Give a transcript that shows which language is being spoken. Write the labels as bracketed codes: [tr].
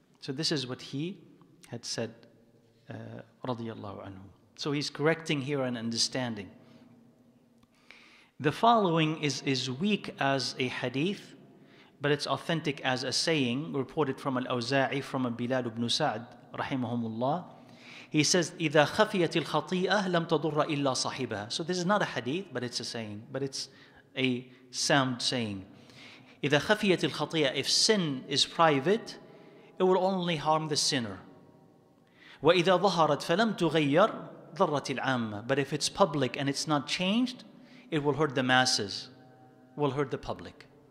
[en] So this is what he had said, radiyallahu anhu. So he's correcting here an understanding. The following is weak as a hadith, but it's authentic as a saying reported from Al-Awza'i, from Bilal ibn Sa'd, rahimahumullah. He says, [ar] إِذَا خَفِيَتِ الْخَطِيئَةِ لَمْ تَضُرَّ إِلَّا صَحِبَهَا. [en] So this is not a hadith, but it's a saying. But it's a sound saying. [ar] إِذَا خَفِيَتِ الْخَطِيئَةِ, [en] if sin is private, it will only harm the sinner. [ar] وَإِذَا ظَهَرَتْ فَلَمْ تُغَيَّرْ ضَرَّتِ الْعَامَّةِ. [en] But if it's public and it's not changed, it will hurt the masses, will hurt the public.